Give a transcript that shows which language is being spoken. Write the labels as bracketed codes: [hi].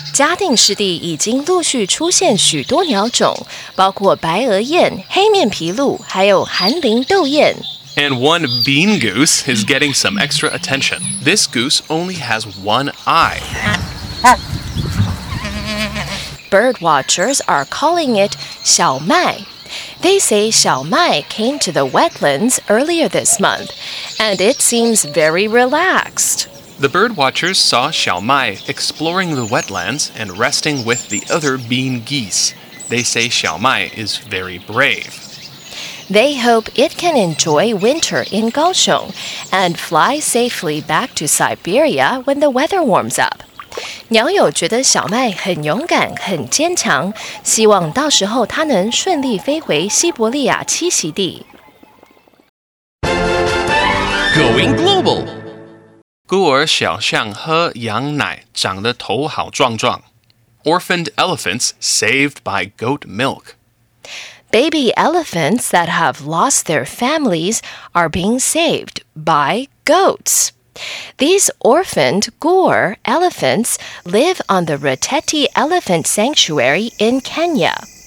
[zh] 嘉定湿地已经陆续出现许多鸟种，包括白额雁、黑面琵鹭，还有寒林豆雁。 [en] And one bean goose is getting some extra attention. This goose only has one eye. Bird watchers are calling it 小麦. They say 小麦 came to the wetlands earlier this month, and it seems very relaxed. The bird watchers saw Xiaomai exploring the wetlands and resting with the other bean geese. They say Xiaomai is very brave. They hope it can enjoy winter in Kaohsiung and fly safely back to Siberia when the weather warms up. [zh] 鸟友觉得小麦很勇敢、很坚强，希望到时候它能顺利飞回西伯利亚栖息地。 [en] Going global. [zh] 孤儿小象喝羊奶长得头好壮壮。 [en] Orphaned elephants saved by goat milk. Baby elephants that have lost their families are being saved by goats. These orphaned [zh] 孤儿 [en] elephants live on the Rateti Elephant Sanctuary in Kenya.